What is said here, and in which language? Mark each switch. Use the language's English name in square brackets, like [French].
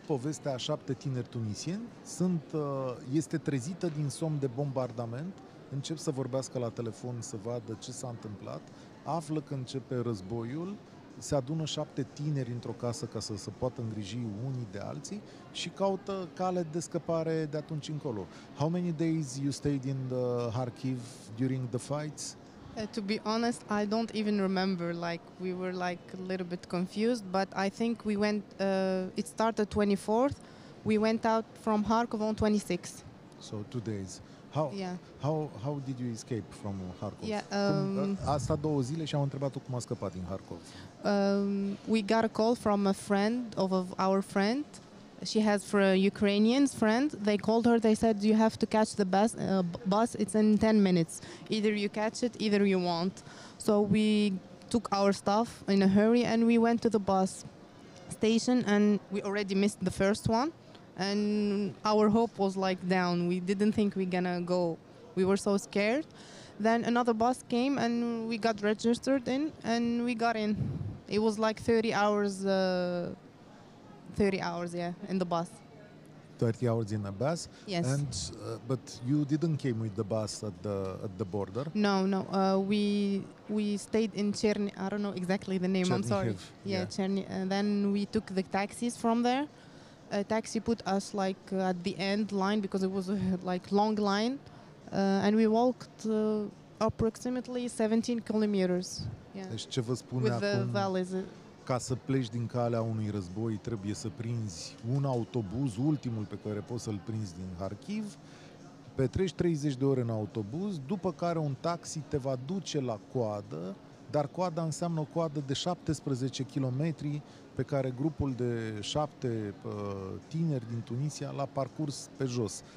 [Romanian] Povestea 7 tineri tunisieni este trezită din somn de bombardament, încep să vorbească la telefon să vadă ce s-a întâmplat, află că începe războiul, se adună 7 tineri într-o casă ca să se poată îngriji unii de alții și caută cale de scăpare de atunci încolo. [English] How many days you stayed in the Kharkiv during the fights? To be honest, I don't even remember, like we were like a little bit confused, but I think we went, it started 24th, we went out from Kharkov on 26th. So 2 days. How did you escape from Kharkov? [Romanian] Asta două zile și am întrebat-o cum a scăpat din Kharkov. [English] We got a call from a friend of our friend. She has for a Ukrainian friend. They called her. They said you have to catch the bus. Bus. It's in 10 minutes. Either you catch it, either you won't. So we took our stuff in a hurry and we went to the bus station and we already missed the first one. And our hope was like down. We didn't think we're gonna go. We were so scared. Then another bus came and we got registered in and we got in. It was like 30 hours, yeah, in the bus. 30 hours in a bus? Yes. And but you didn't came with the bus at the border? No, no. We stayed in Cherny. I don't know exactly the name. Chernihiv. I'm sorry. Yeah, Cherny. And then we took the taxis from there. A taxi put us like at the end line because it was a like long line, and we walked approximately 17 kilometers. Yeah. [Romanian] Deci ce vă spune [English] with [Romanian] acum, [English] the valleys. [Romanian] Ca să pleci din calea unui război, trebuie să prinzi un autobuz, ultimul pe care poți să-l prinzi din Kharkiv. Petreci 30 de ore în autobuz, după care un taxi te va duce la coadă, dar coada înseamnă o coadă de 17 kilometri pe care grupul de 7 tineri din Tunisia l-a parcurs pe jos.